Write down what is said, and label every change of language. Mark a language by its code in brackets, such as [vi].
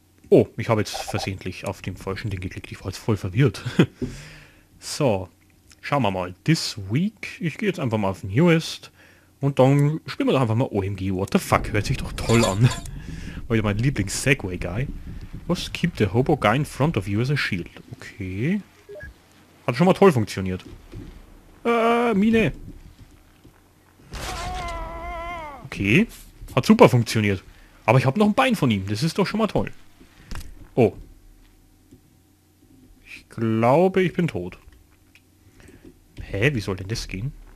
[de] Oh, ich habe jetzt versehentlich auf dem falschen Ding geklickt. Ich war jetzt voll verwirrt. So, schauen wir mal. [en] This week, [de] ich gehe jetzt einfach mal auf Newest und dann spielen wir doch einfach mal OMG. [en] What the fuck, [de] hört sich doch toll an. War wieder mein Lieblings-Segway-Guy. [en] Was keep the hobo guy in front of you as a shield? Okay. [de] Hat schon mal toll funktioniert. Mine. Okay. Hat super funktioniert. Aber ich habe noch ein Bein von ihm. Das ist doch schon mal toll. Oh. Ich glaube, ich bin tot. Hä? Wie soll denn das gehen?